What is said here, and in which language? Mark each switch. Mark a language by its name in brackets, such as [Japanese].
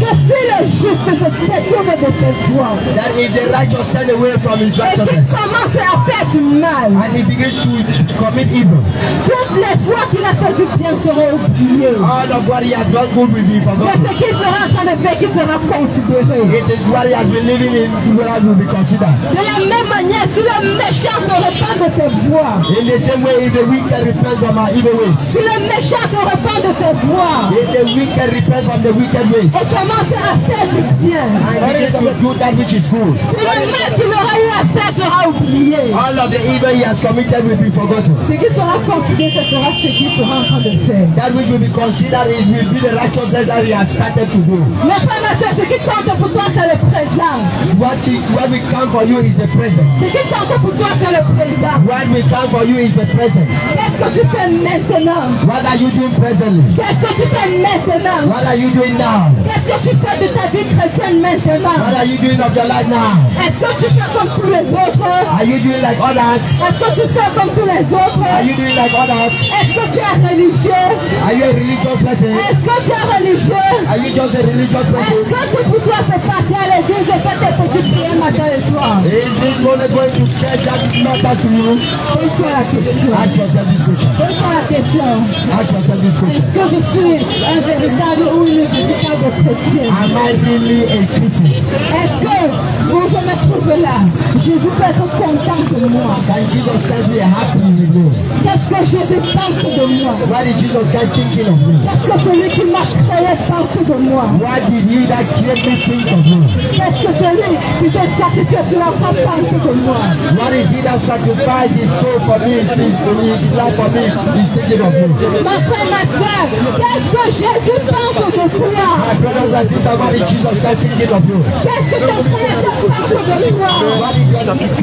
[French] Que si le juste se détourne de ses droits. [English] That if the righteous turn away from his righteousness. [French] Et qu'il commence à faire du mal. [English] And he begins to commit evil. [French] Toutes les fois qu'il a fait du bien seront oubliées. [English] All of what he has done good will be forgotten. [French] C'est ce qu'il sera en train de faire qui sera considéré. [English] It is what he has been living in will be considered. [French] De la même manière, si le méchant se repent de ses voies. [English] In the same way, if the wicked repent from our evil ways. [French] Si le méchant se repent de ses voies. [English] If the wicked repent from the wicked ways. [French] Et commence à faire du bien. [English] And he will do that which is good. [French] Le mal qu'il aura eu à faire sera oublié. [English] All of the evil he has committed will be forgotten. [French] Ce qui sera considéré, ce sera ce qu'il sera en train de faire. [English] That which will be considered, it will be the righteousness that he has started to do. [French] Mais pas ma soeur, ce qui compte pour toi, c'est le présent. [English] What we count for you is the present. [French] Ce qui compte pour toi, c'est le présent. [English] What we count for you is the present. [French] Qu'est-ce que tu fais maintenant? [English] What are you doing presently? [French] Qu'est-ce que tu fais maintenant? [English] What are you doing now? [French] Qu'est-ce que tu fais de ta vie chrétienne maintenant? [English] What are you doing of your life now? [French] Est-ce que tu fais comme tous les autres? [English] Are you doing like others? [French] Est-ce que tu fais comme tous les autres? [English] Are you doing like others? [French] Est-ce que tu es religieux? [English] Are you a religious person? [French] Est-ce que tu es religieux? [English] Are you just a religious person? [French] Est-ce que tu dois te passer à l'église et faire tes petites prières matin et soir? [English] Is it going to go say that it matters to you? [French] Pose-toi la question. [English] Ask yourself this question. [French] Pose-toi la question. [English] Ask yourself this question. [French] Est-ce que je suis un véritable ou une véritable chrétien? [English] Am I really a Christian? [French] Est-ce que vous me trouvez là? Jésus peut être content de moi. [English] Can Jesus Christ be happy with me? [French] Qu'est-ce que Jésus pense de moi? [English] What is Jesus Christ thinking of me? [French] Qu'est-ce que celui qui m'a créé pense de moi? [English] What did he that created me think of me? [French] Qu'est-ce que celui qui s'est sacrifié sur la croix pense de moi? [English] What is he that sacrificed his soul for me, thinks for me, his life for me, is thinking of me? [French] Ma frère, ma soeur, qu'est-ce que Jésus pense de toi? [English] My brothers and sisters, what is Jesus Christ thinking of you? [French] Qu'est-ce que ton frère te pense de moi?